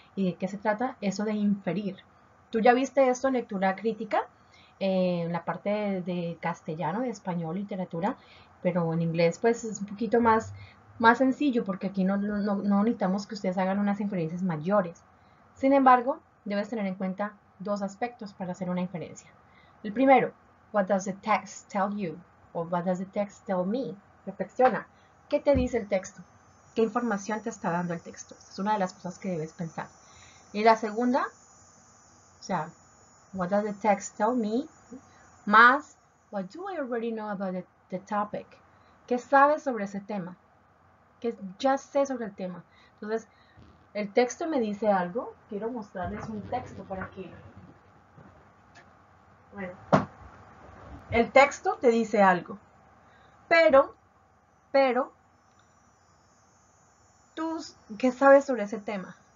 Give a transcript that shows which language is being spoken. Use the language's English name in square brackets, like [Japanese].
[Spanish] ¿Y de qué se trata eso de inferir? Tú ya viste esto en lectura crítica, en la parte de castellano, de español, literatura, pero en inglés pues es un poquito más sencillo porque aquí no necesitamos que ustedes hagan unas inferencias mayores. Sin embargo, debes tener en cuenta dos aspectos para hacer una inferencia. El primero, [English] what does the text tell you? [Spanish] O [English] what does the text tell me? [Spanish] Reflexiona. ¿Qué te dice el texto? ¿Qué información te está dando el texto? Es una de las cosas que debes pensar. Y la segunda, o sea, [English] what does the text tell me? [Spanish] Más, [English] what do I already know about the topic? [Spanish] ¿Qué sabes sobre ese tema? ¿Qué ya sé sobre el tema? Entonces, El texto me dice algo. Quiero mostrarles un texto para que... Bueno. El texto te dice algo. Pero, ¿tú qué sabes sobre ese tema?